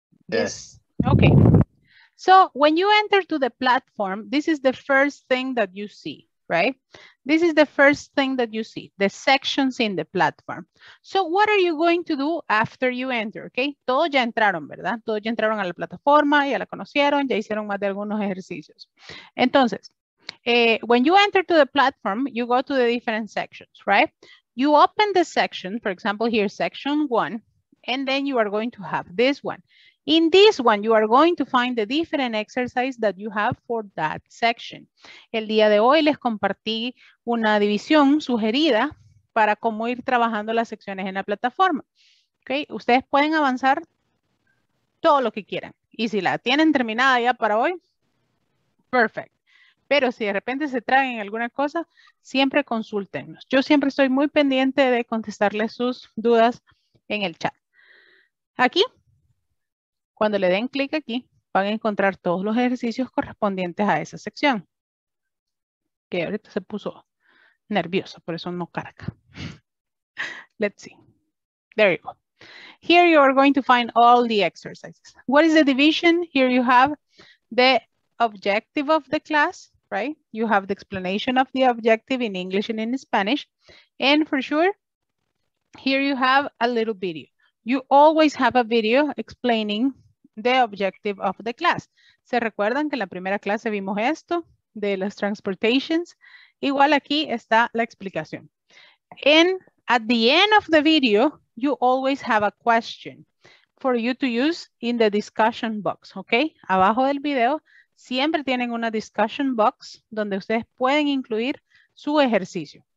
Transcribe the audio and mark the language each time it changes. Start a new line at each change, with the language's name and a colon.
English: Yes. Okay, so when you enter to the platform, this is the first thing that you see, right? This is the first thing that you see, the sections in the platform. So what are you going to do after you enter, okay?
Spanish: Todos ya entraron, ¿verdad? Todos ya entraron a la plataforma, ya la conocieron, ya hicieron más de algunos ejercicios. Entonces,
English: when you enter to the platform, you go to the different sections, right? You open the section, for example, here, section one, and then you are going to have this one. In this one, you are going to find the different exercises that you have for that section.
Spanish: El día de hoy les compartí una división sugerida para cómo ir trabajando las secciones en la plataforma. Okay. Ustedes pueden avanzar todo lo que quieran. Y si la tienen terminada ya para hoy,
English: perfect.
Spanish: Pero si de repente se traen alguna cosa, siempre consúltenos. Yo siempre estoy muy pendiente de contestarles sus dudas en el chat. Aquí, cuando le den clic aquí, van a encontrar todos los ejercicios correspondientes a esa sección. Que ahorita se puso nervioso, por eso no carga.
English: Let's see. There you go. Here you are going to find all the exercises. What is the division? Here you have the objective of the class, right? You have the explanation of the objective in English and in Spanish. And for sure, here you have a little video. You always have a video explaining the objective of the class.
Spanish: ¿Se recuerdan que en la primera clase vimos esto de las transportations? Igual aquí está la explicación.
English: And at the end of the video, you always have a question for you to use in the discussion box, okay?
Spanish: Abajo del video, siempre tienen una discussion box donde ustedes pueden incluir su ejercicio.